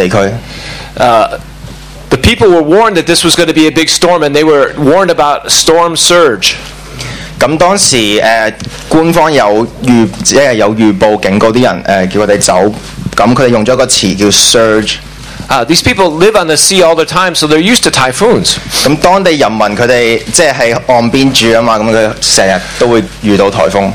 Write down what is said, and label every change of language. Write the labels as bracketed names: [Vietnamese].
[English] The people were warned that this was going to be a big storm, and they were warned about storm surge. [Cantonese] 咁當時, 官方有預報警告啲人，叫佢哋走。咁佢哋用咗一個詞叫 surge。 [English] These people live on the sea all the time, so they're used to typhoons. [Cantonese] 咁當地人民佢哋即係喺岸邊住啊嘛，咁佢成日都會遇到颱風。